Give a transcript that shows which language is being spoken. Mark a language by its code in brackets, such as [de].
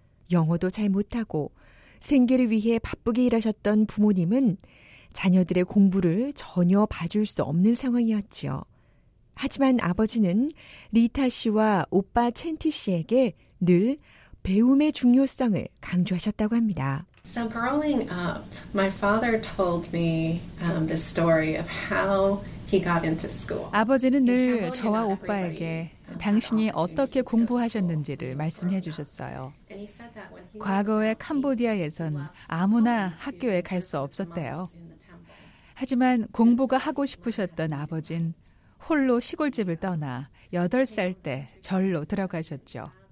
[ko] 영어도 잘 못하고 생계를 위해 바쁘게 일하셨던 부모님은 자녀들의 공부를 전혀 봐줄 수 없는 상황이었지요. 하지만 아버지는 리타 씨와 오빠 첸티 씨에게 늘 배움의 중요성을 강조하셨다고 합니다. [en] So growing up, my father told me the story of how he got into school. [ko] 아버지는 늘 저와 오빠에게 당신이 어떻게 공부하셨는지를 말씀해 주셨어요. 과거에 캄보디아에선 아무나 학교에 갈 수 없었대요. 하지만 공부가 하고 싶으셨던 아버진 홀로 시골집을 떠나 8살 때 절로 들어가셨죠.